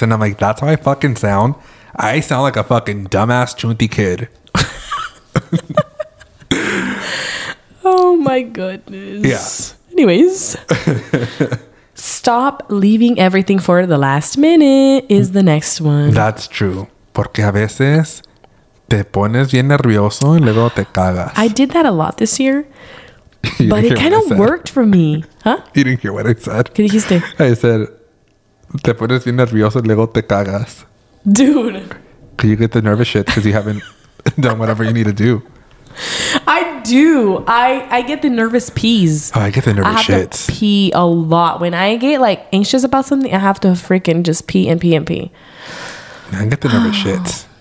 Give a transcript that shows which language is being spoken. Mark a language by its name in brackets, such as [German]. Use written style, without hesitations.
[English] And I'm like, that's how I fucking sound. I sound like a fucking dumbass chunty kid. Oh, my goodness. Yeah. Anyways. Stop leaving everything for the last minute is the next one. That's true. [Spanish] Porque a veces te pones bien nervioso y luego te cagas. [English] I did that a lot this year, but it kind of worked for me. Huh? You didn't hear what I said. [Spanish] ¿Qué dijiste? [English] I said, [Spanish] te pones bien nervioso y luego te cagas. [English] Dude. You get the nervous shit because you haven't done whatever you need to do. I do. I get the nervous pees. Oh, I get the nervous shits. I have to pee a lot. When I get, like, anxious about something, I have to freaking just pee and pee and pee. I get the nervous shits.